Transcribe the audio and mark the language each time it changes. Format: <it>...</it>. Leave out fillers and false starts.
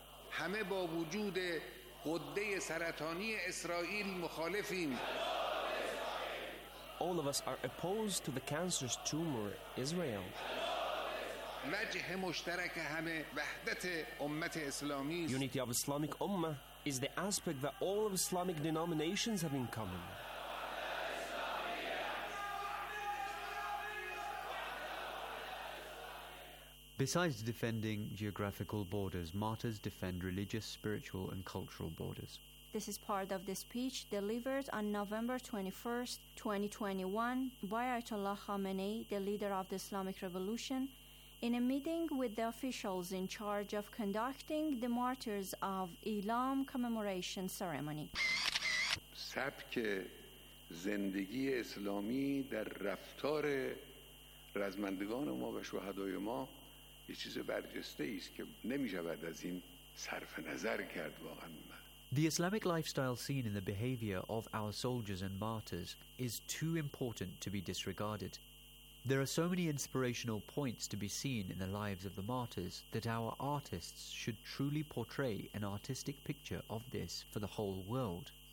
<fa>همه با وجود غده سرطانی اسرائیل مخالفیم</fa> <en>All of us are opposed to the cancerous tumor Israel</en> <fa>وجه مشترک همه وحدت امت اسلامی</fa> <en>Unity of Islamic Ummah is the aspect that all of Islamic denominations have in common. Besides defending geographical borders, martyrs defend religious, spiritual, and cultural borders. This is part of the speech delivered on November 21st, 2021 by Ayatollah Khamenei, the leader of the Islamic Revolution, in a meeting with the officials in charge of conducting the Martyrs of Ilam commemoration ceremony.</en> <fa>سبک زندگی اسلامی در رفتار رزمندگان ما و شهدای ما یه چیز برجسته ای است که نمی‌شود از این صرف نظر کرد واقعا.</fa> <en>The Islamic lifestyle seen in the behavior of our soldiers and martyrs is too important to be disregarded. There are so many inspirational points to be seen in the lives of the martyrs that our artists should truly portray an artistic picture of this for the whole world.</en>